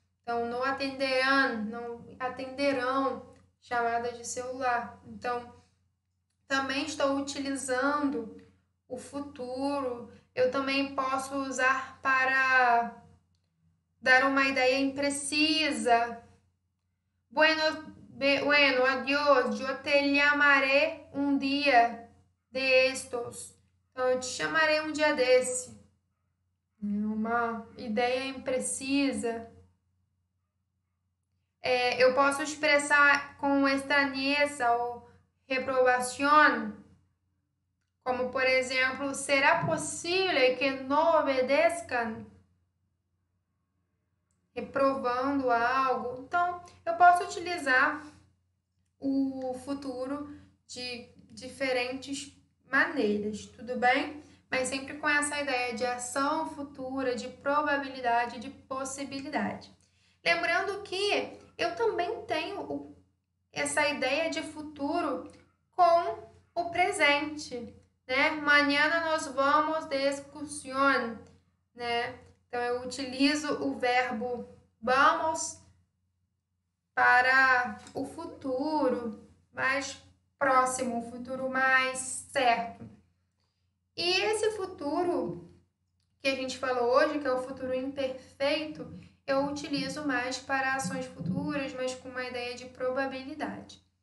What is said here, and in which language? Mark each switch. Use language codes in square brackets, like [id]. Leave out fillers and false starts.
[pt] Então, não atenderão, não atenderão chamadas de celular. Então, também estou utilizando o futuro. Eu também posso usar para dar uma ideia imprecisa. [es] Bueno, adiós. Yo te llamaré un día de estos. [pt] Então, eu te chamarei um dia desse. Uma ideia imprecisa. É, eu posso expressar com estranheza ou reprovação, como por exemplo, será possível que não obedeçam? Reprovando algo. Então, eu posso utilizar o futuro de diferentes maneiras, tudo bem? Mas sempre com essa ideia de ação futura, de probabilidade, de possibilidade. Lembrando que eu também tenho essa ideia de futuro com o presente, né? [es] Mañana nos vamos de excursión, né? [pt] Então eu utilizo o verbo vamos para o futuro mais próximo, o futuro mais certo. E esse futuro que a gente falou hoje, que é o futuro imperfeito, eu utilizo mais para ações futuras, mas com uma ideia de probabilidade.